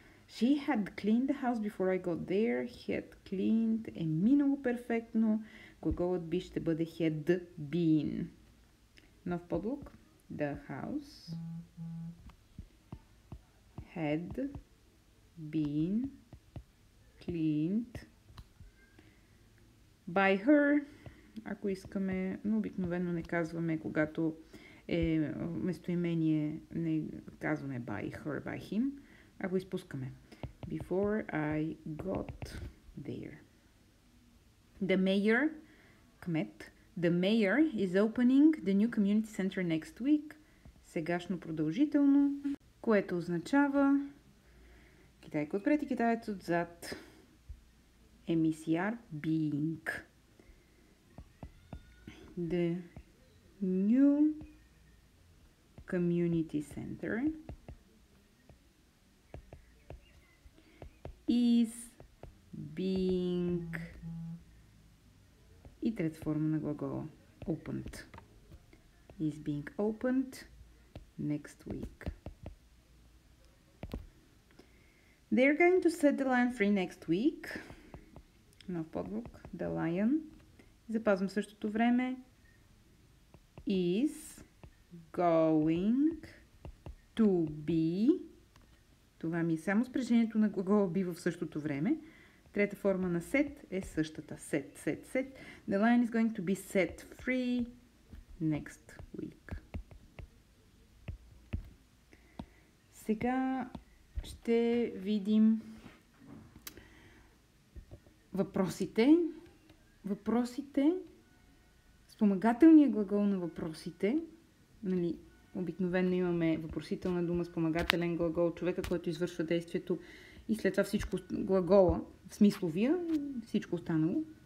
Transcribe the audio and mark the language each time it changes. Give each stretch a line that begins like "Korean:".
English: She had cleaned the house before I got there. He had cleaned
Bulgarian: е минало перфектно. Глаголът би ще бъде
English: had been.
Bulgarian: Нов подлог.
English: The house had been cleaned by her.
Bulgarian: Ако искаме, но обикновено не казваме, когато е местоимение, не казваме
English: by her, by him.
Bulgarian: Ако изпускаме.
English: Before I got there. The mayor, кмет, the mayor is opening the new community center next week.
Bulgarian: Сегашно продължително, което означава китайка отпред и китаец отзад. MECR being.
English: The new community center is being
Bulgarian: и трета форма на глагола
English: opened. Is being opened next week. They're going to set the lion free next week.
Bulgarian: Нов подлог.
English: The lion.
Bulgarian: Запазвам същото време.
English: Is going to be.
Bulgarian: Това ми е само спрежението на глагола би в същото време. Трета форма на set е същата.
English: Set, set, set. The lion is going to be set free next week.
Bulgarian: Сега ще видим въпросите. Въпросите, спомагателния глагол на въпросите, нали, обикновено имаме въпросителна дума, спомагателен глагол, човека, който извършва действието и след това всичко глагола, смисловия, всичко останало.